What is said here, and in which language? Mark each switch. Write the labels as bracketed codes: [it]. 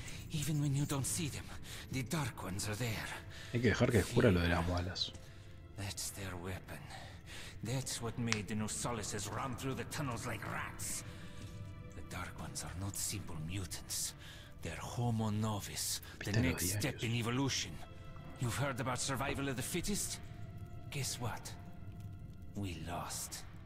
[en] Even when you don't see them, the dark ones are there. [es] Hay que dejar que descubra lo de las balas. [en] That's their weapon. That's what made the new solaces run through the tunnels like rats. The dark ones are not simple mutants. They're Homo novus, the next step in evolution. You've heard about survival of the fittest? Guess what? We lost.